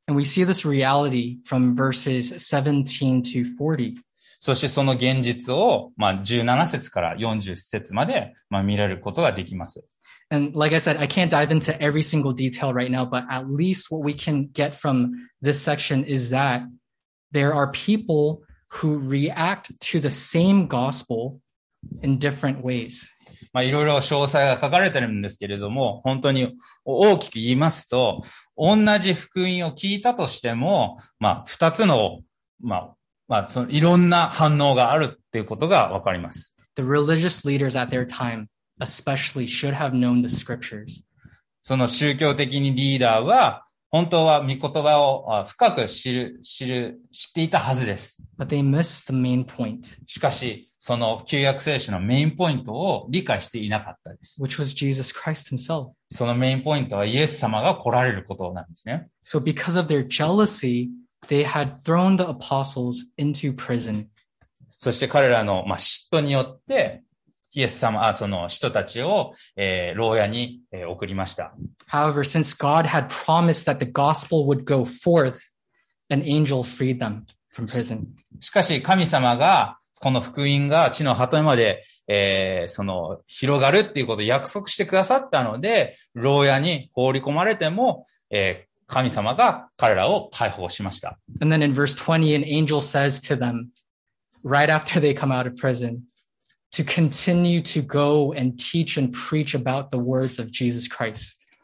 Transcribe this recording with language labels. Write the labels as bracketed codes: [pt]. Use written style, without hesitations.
[en] And we see this reality from verses 17 to 40. [ja] そしてその現実を、まあ、17節から40節まで、まあ、見られることができます。 [en] And like I said, I can't dive into every single detail right now, but at least what we can get from this section is that there are people who react to the same gospel in different ways. [ja] まあ、いろいろ詳細が書かれてるんですけれども、本当に大きく言いますと、同じ福音を聞いたとしても、まあ、二つの、まあ、まあ、いろんな反応があるっていうことがわかります。 [en] The religious leaders at their time especially should have known the scriptures. [ja] その宗教的にリーダーは、本当は御言葉を深く知っていたはずです。 [en] But they missed the main point. [ja] しかし、その旧約聖書のメインポイントを理解していなかったです。 [en] Which was Jesus Christ himself. [ja] そのメインポイントはイエス様が来られることなんですね。 [en] So because of their jealousy, they had thrown the apostles into prison. [ja] そして彼らの、まあ、嫉妬によって、イエス様、その人たちを、牢屋に、送りました。 [en] However, since God had promised that the gospel would go forth, an angel freed them from prison. [ja] しかし神様がこの福音が地の果てまで、その広がるっていうことを約束してくださったので、牢屋に放り込まれても、神様が彼らを解放しました。 [en] And then in verse 20, an angel says to them, right after they come out of prison,to continue to go and teach and preach about the words of Jesus Christ.